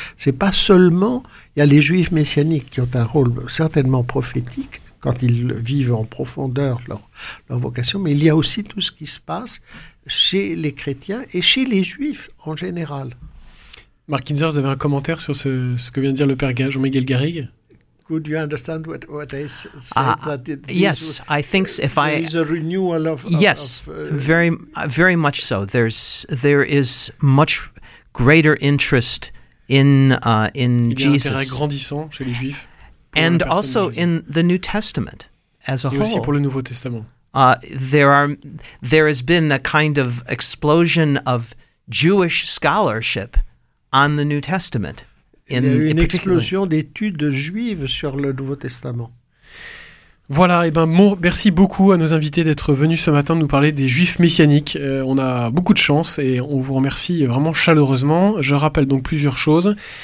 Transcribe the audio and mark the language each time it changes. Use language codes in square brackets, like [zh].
[fr] C'est pas seulement, il y a les juifs messianiques qui ont un rôle certainement prophétique quand ils vivent en profondeur leur vocation, mais il y a aussi tout ce qui se passe chez les chrétiens et chez les juifs en général. Marc Kinzer, vous avez un commentaire sur ce que vient de dire le père Jean-Miguel Garrigue? [en] Could you understand what I said? Yes, I think so, if there is a renewal of... Yes, very much so. There is much greater interest in Jesus. [fr] Il y a un intérêt grandissant chez les Juifs. [en] And also in the New Testament as a whole. [fr] Et aussi pour le Nouveau Testament. [en] There has been a kind of explosion of Jewish scholarship on the New Testament. [fr] Il y a eu une explosion d'études juives sur le Nouveau Testament. Voilà, et ben bon, merci beaucoup à nos invités d'être venus ce matin nous parler des Juifs messianiques. On a beaucoup de chance et on vous remercie vraiment chaleureusement. Je rappelle donc plusieurs choses.